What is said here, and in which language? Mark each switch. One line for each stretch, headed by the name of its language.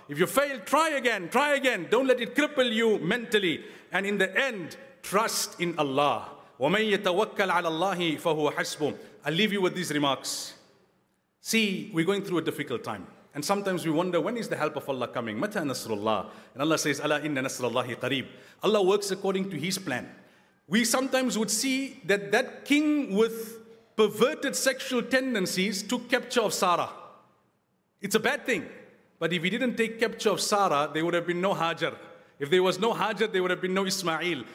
English: If you fail, try again, try again. Don't let it cripple you mentally. And in the end, trust in Allah.
Arabic: وَمَنْ يَتَوَكَّلْ عَلَى اللَّهِ فَهُوَ حَسْبُهُ.
English: I'll leave you with these remarks. See, we're going through a difficult time. And sometimes we wonder, when is the help of Allah coming?
Arabic: مَتَى نَصْرُ اللَّهِ.
English: And Allah says,
Arabic: أَلَّا إِنَّ نَصْرَ اللَّهِ قَرِيبٌ.
English: Allah works according to His plan. We sometimes would see that that king with perverted sexual tendencies took capture of Sarah. It's a bad thing. But if he didn't take capture of Sarah, there would have been no Hajar. If there was no Hajar, there would have been no Ismail.